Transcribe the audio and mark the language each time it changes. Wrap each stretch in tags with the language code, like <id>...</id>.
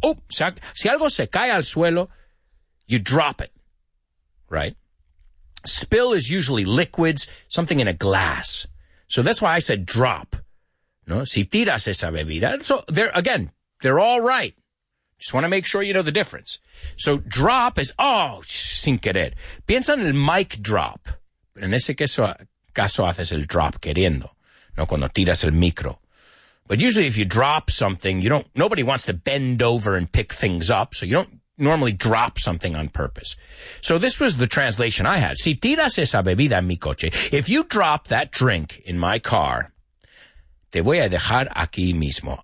<es>Oh, si algo se cae al suelo,</es> <en>you drop it, right? Spill is usually liquids, something in a glass. So that's why I said drop.</en> <es>No, si tiras esa bebida.</es> <en>So, they're all right. Just want to make sure you know the difference. So drop is,</en> <es>sin querer. Piensa en el mic drop. En ese caso haces el drop queriendo, no cuando tiras el micro.</es> <en>But usually if you drop something, nobody wants to bend over and pick things up, so you don't normally drop something on purpose. So this was the translation I had.</en> <es>Si tiras esa bebida en mi coche,</es> <en>if you drop that drink in my car,</en> <es>te voy a dejar aquí mismo.</es>